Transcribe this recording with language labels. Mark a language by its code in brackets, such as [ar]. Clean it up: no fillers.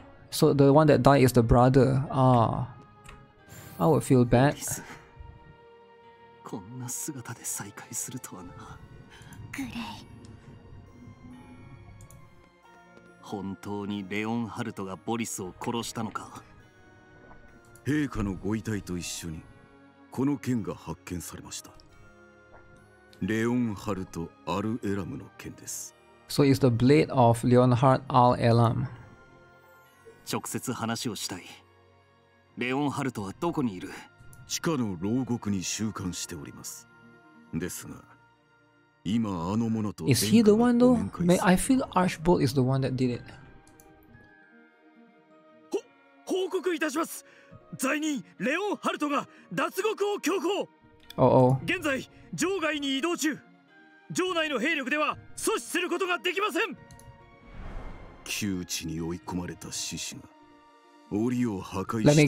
[en] So the one that died is the brother. I would feel bad. [ja] こんな姿で再会するとはな。グレイ。本当にレオンハルトがボリスを殺したのか。陛下のご遺体と一緒にこの剣が発見されました。レオンハルト・アル・エラムの剣です。 [en] So it's the blade of Leonhard Al-Elam. [ja] 直接話をしたい。レオンハルトはどこにいる？地下の牢獄に収監しております。ですが、今あの者と [en] Is he the one though? May I feel Archbold is the one that did it? [ja] 報告いたします。罪人レオンハルトが脱獄を強行。現在城外に移動中。城内の兵力では阻止することができません。窮地に追い込まれた獅子が檻を破壊して飛び